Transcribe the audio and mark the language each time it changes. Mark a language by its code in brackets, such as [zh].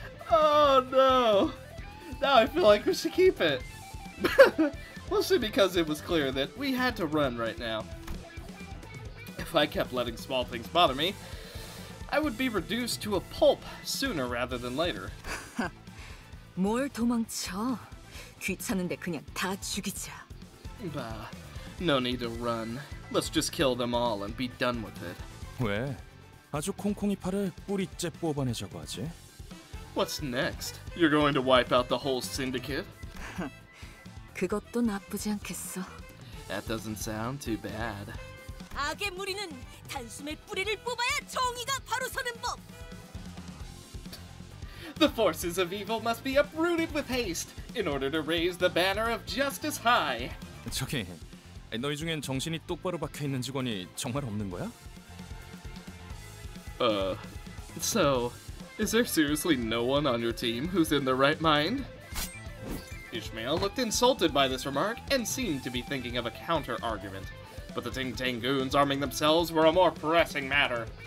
[en] Oh no! Now I feel like we should keep it! Mostly because it was clear that we had to run right now. If I kept letting small things bother me, I would be reduced to a pulp sooner rather than later. [ko] 뭘 도망쳐? 귀찮은데 그냥 다 죽이자. [en] Bah, no need to run. Let's just kill them all and be done with it. [ko] 왜? 아주 콩콩이 팔을 뿌리째 뽑아내자고 하지? [en] What's next? You're going to wipe out the whole syndicate? [ko] 그것도 나쁘지 않겠어. [en] That doesn't sound too bad. [ko] 악의 무리는 단숨에 뿌리를 뽑아야 정의가 바로 서는 법! [en] The forces of evil must be uprooted with haste in order to raise the banner of justice high. [ko] 저기, 너희 중엔 정신이 똑바로 박혀있는 직원이 정말 없는 거야? [en] So, is there seriously no one on your team who's in the right mind? Ishmael looked insulted by this remark and seemed to be thinking of a counter-argument. But the Ting Tang goons arming themselves were a more pressing matter.